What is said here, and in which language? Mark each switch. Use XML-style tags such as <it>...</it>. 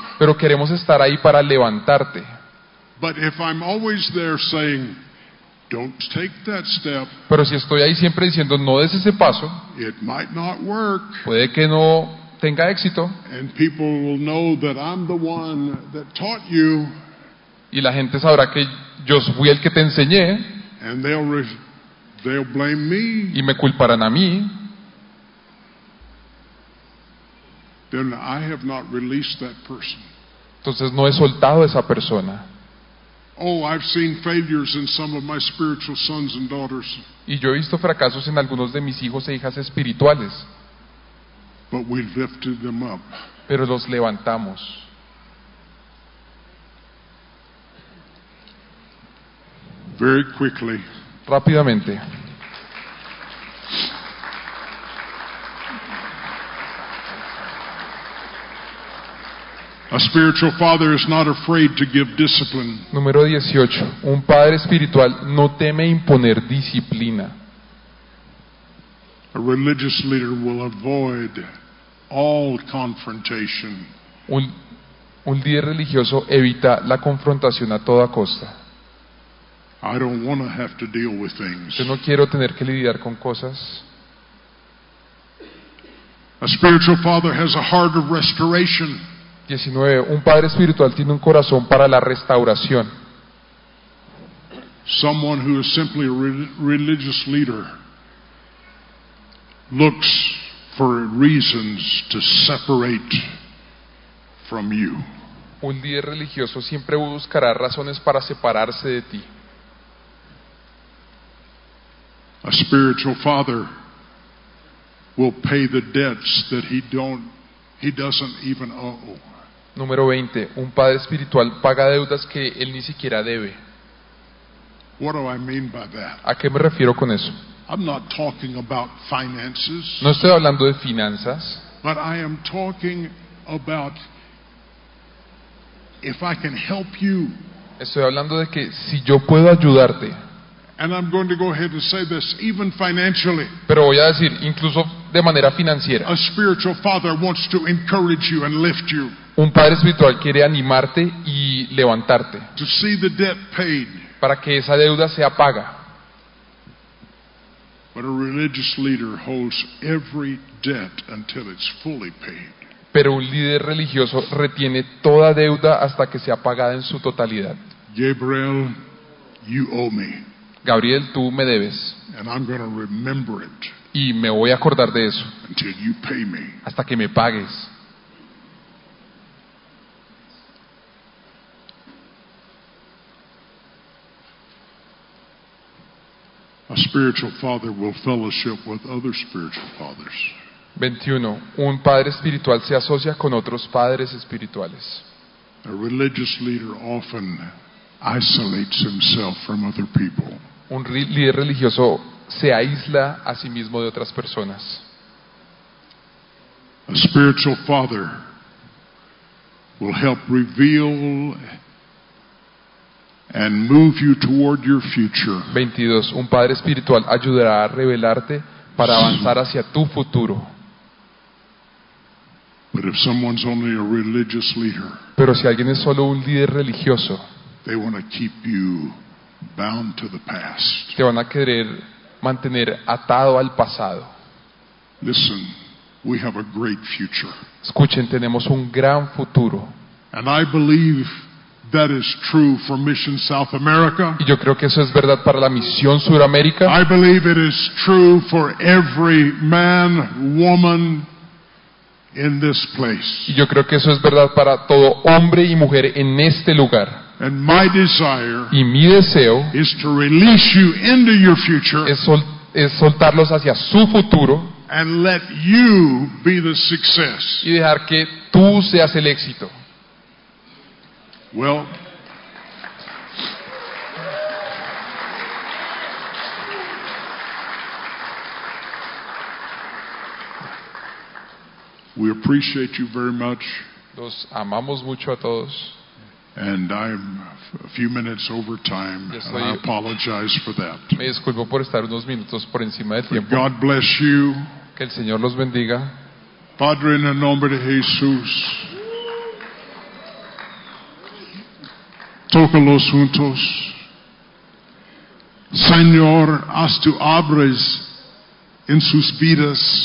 <es>Pero queremos estar ahí para levantarte.</es> <en>But if I'm always there saying, don't take that step.</en> <es>Pero si estoy ahí siempre diciendo no des ese paso.</es> <en>It might not work.</en> <es>Puede que no tenga éxito.</es> <en>And people will know that I'm the one that taught you.</en> <es>Y la gente sabrá que yo fui el que te enseñé.</es> <en>And they'll blame me.</en> <es>Y me culparán a mí.</es> <en>Then I have not released that person.</en> <es>Entonces no he soltado a esa persona.</es> <en>Oh, I've seen failures in some of my spiritual sons and daughters.</en> <es>Y yo he visto fracasos en algunos de mis hijos e hijas espirituales.</es> <en>But we lifted them up.</en> <es>Pero los levantamos.</es> <en>Very quickly.</en> <es>Rápidamente.</es> <en>A spiritual father is not afraid to give discipline.</en> <es>Número 18. Un padre espiritual no teme imponer disciplina.</es> <en>A religious leader will avoid all confrontation.</en> <es>Un líder religioso evita la confrontación a toda costa.</es> <en>I don't want to have to deal with things.</en> <es>Yo no quiero tener que lidiar con cosas.</es> <en>A spiritual father has a heart of restoration.</en> <es>19. Un padre espiritual tiene un corazón para la restauración.</es> <en>Someone who is simply a religious leader looks for reasons to separate from you.</en> <es>Un líder religioso siempre buscará razones para separarse de ti.</es> <en>A spiritual father will pay the debts that he doesn't even owe.</en> <es>Número 20. Un padre espiritual paga deudas que él ni siquiera debe.</es> <en>What do I mean by that?</en> <es>¿A qué me refiero con eso?</es> <en>I'm not talking about finances.</en> <es>No estoy hablando de finanzas.</es> <en>But I am talking about if I can help you.</en> <es>Estoy hablando de que si yo puedo ayudarte.</es> <en>And I'm going to go ahead and say this, even financially.</en> <es>Pero voy a decir, incluso de manera financiera.</es> <en>A spiritual father wants to encourage you and lift you.</en> <es>Un padre espiritual quiere animarte y levantarte.</es> <en>To see the debt paid.</en> <es>Para que esa deuda sea paga.</es> <en>But a religious leader holds every debt until it's fully paid.</en> <es>Pero un líder religioso retiene toda deuda hasta que sea pagada en su totalidad.</es> <en>Gabriel, you owe me.</en> <es>Gabriel, tú me debes.</es> <en>And I'm going to remember it.</en> <es>Y me voy a acordar de eso.</es> <en>Until you pay me.</en> <es>Hasta que me pagues.</es> <en>A spiritual father will fellowship with other spiritual fathers.</en> <es>21. Un padre espiritual se asocia con otros padres espirituales.</es> <en>A religious leader often isolates himself from other people.</en> <es>Un líder religioso se aísla a sí mismo de otras personas.</es> <en>A spiritual father will help reveal and move you toward your future.</en> <es>22. Un padre espiritual ayudará a revelarte para avanzar hacia tu futuro.</es> <en>But if someone's only a religious leader,</en> <es>pero si alguien es solo un líder religioso,</es> <en>they want to keep you bound to the past.</en> <es>Te van a querer mantener atado al pasado.</es> <en>Listen, we have a great future.</en> <es>Escuchen, tenemos un gran futuro.</es> <en>And I believe that is true for Mission South America.</en> <es>Y yo creo que eso es verdad para la misión Suramérica.</es> <en>I believe it is true for every man, woman in this place.</en> <es>Y yo creo que eso es verdad para todo hombre y mujer en este lugar.</es> <en>And my desire,</en> <es>y mi deseo,</es> <en>is to release you into your future.</en> <es>Es soltarlos hacia su futuro.</es> <en>And let you be the success.</en> <es>Y dejar que tú seas el éxito.</es> <en>Well, we appreciate you very much.</en> <es>Los amamos mucho a todos.</es> <en>And I'm a few minutes over time, and I apologize for that.</en> <es>Me disculpo por estar unos minutos por encima de tiempo.</es> <en>But God bless you.</en> <es>Que el Señor los bendiga. Padre, en el nombre de Jesús. Tócalos juntos. Señor, haz tu abres en sus vidas.</es>